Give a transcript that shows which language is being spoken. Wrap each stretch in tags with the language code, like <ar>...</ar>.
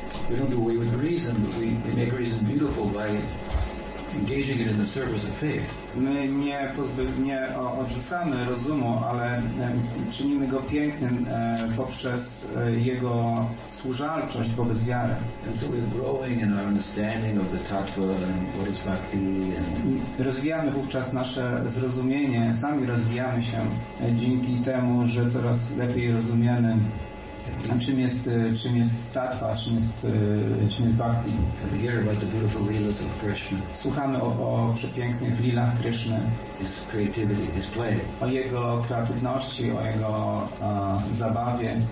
<en>We don't do away with reason, but we make reason beautiful by engaging it in the service of faith.</en> <pl>My nie odrzucamy rozumu, ale czynimy go pięknym poprzez jego służalczość wobec wiary.</pl> <en>And so we're growing in our understanding of the tattva and what is bhakti.</en> <pl>Rozwijamy wówczas nasze zrozumienie, sami rozwijamy się dzięki temu, że coraz lepiej rozumiemy, czym jest tattwa, czym jest bhakti.</pl> <en>We hear about the beautiful lilas of Krishna.</en> <pl>Słuchamy o przepięknych lilach Krishna.</pl> <en>His creativity, his play.</en> <pl>O jego kreatywności, o jego zabawie.</pl>